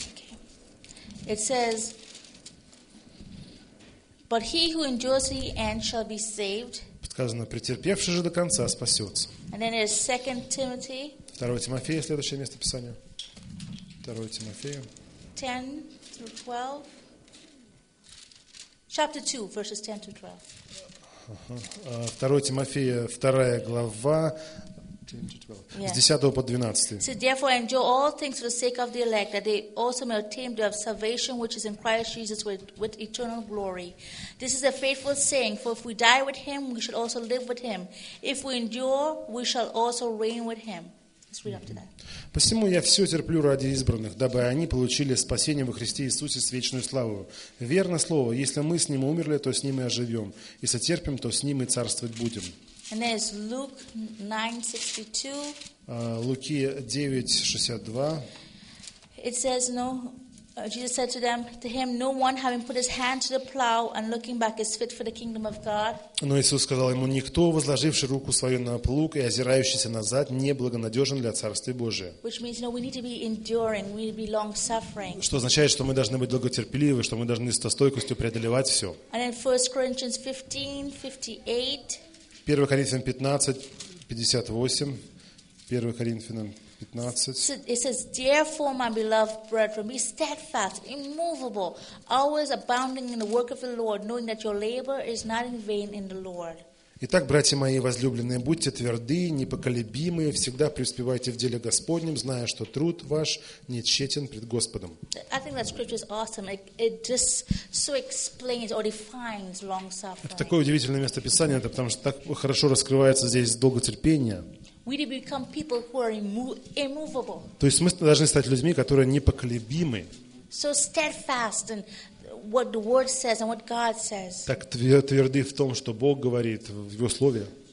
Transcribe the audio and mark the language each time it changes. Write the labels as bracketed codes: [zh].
[en] Okay. It says, "But he who endures to the end shall be saved." [ru] Сказано, претерпевший же до конца спасется. [en] And then there's 2 Timothy. [ru] 2 Тимофея, следующее место Писания. 2 Тимофея. 10-12. [en] Chapter 2, verses 10 to 12. [ru] 2 Тимофея, 2 глава, с 10 по 12. [en] So therefore endure all things for the sake of the elect, that they also may obtain the salvation which is in Christ Jesus with eternal glory. This is a faithful saying, for if we die with him, we shall also live with him. If we endure, we shall also reign with him. [ru] Посему я все терплю ради избранных, дабы они получили спасение во Христе Иисусе с вечную славу. Верно слово, если мы с Ним умерли, то с Ним и оживем. Если терпим, то с Ним и царствовать будем. [en] And there's Luke 9:62. [ru] Луки 9:62. [en] It says, no, Jesus said to them, to him, no one having put his hand to the plow and looking back is fit for the kingdom of God. [ru] Но Иисус сказал ему, никто, возложивший руку свою на плуг и озирающийся назад, не благонадежен для Царствия Божия. [en] Which means, you know, we need to be enduring, we need to be long-suffering. [ru] Что означает, что мы должны быть долготерпеливы, что мы должны со стойкостью преодолевать все. [en] And in 1 Corinthians 15:58. [ru] 1 Коринфянам 15:58. 1 Коринфянам 15. [en] It says, therefore, my beloved brethren, be steadfast, immovable, always abounding in the work of the Lord, knowing that your labor is not in vain in the Lord. [ru] Итак, братья мои возлюбленные, будьте тверды, непоколебимые, всегда преуспевайте в деле Господнем, зная, что труд ваш не тщетен пред Господом. [en] I think that scripture is awesome. It just so explains or defines long suffering. [ru] Это такое удивительное местописание, это потому что так хорошо раскрывается здесь долготерпение. [en] We need to become people who are immovable. [ru] То есть мы должны стать людьми, которые непоколебимы. [en] So steadfast and what the word says and what God says. [ru] Так тверды в том, что Бог говорит в его слове.